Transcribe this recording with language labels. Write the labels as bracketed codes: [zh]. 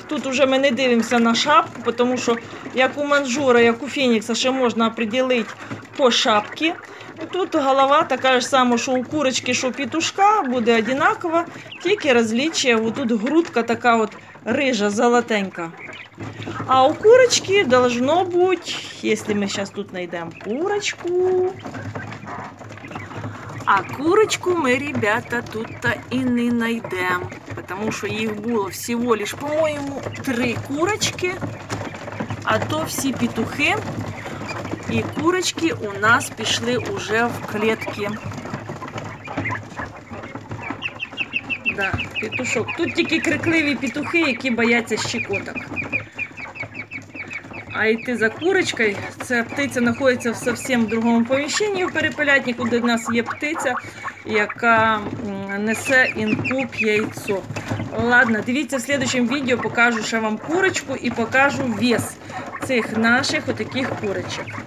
[uk] Тут уже ми не дивимося на шапку, тому що як у манжура, як у фінікса, ще можна приділити по шапці. Тут голова така ж сама, що у курочки, що у петушка, буде одинакова, тільки различие. Тут грудка така от рижа, золотенька. [ru] А у курочки должно быть, если мы сейчас тут найдем курочку. А курочку мы, ребята, тут-то и не найдем, потому что их было всего лишь, по-моему, 3 курочки, а то все петухи и курочки у нас пошли уже в клетки. Да, петушок. Тут только крикливые петухи, которые боятся щекоток. [uk] А йти за курочкою, ця птиця знаходиться в зовсім другому приміщенні, в перепелятнику, де в нас є птиця, яка несе інкуб яйцо. Ладно, дивіться, [ru] в следующем [uk] відео покажу ще вам курочку і покажу вес цих наших отаких курочок.